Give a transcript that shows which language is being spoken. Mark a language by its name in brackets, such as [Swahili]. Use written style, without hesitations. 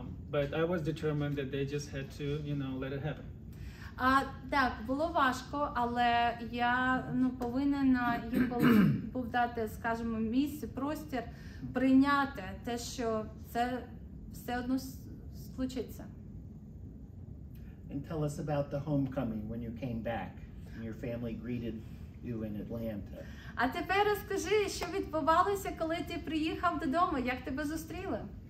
[English] but I was determined that they just had to, you know, let it happen. [Ukrainian] Так, було важко, але я, ну, повинен їм був дати, скажімо, місце, простір прийняти те, що це все одно случиться. [English] And tell us about the homecoming when you came back and your family greeted you in Atlanta. [Ukrainian] А тепер розкажи, що відбувалося, коли ти приїхав додому, як тебе зустріли?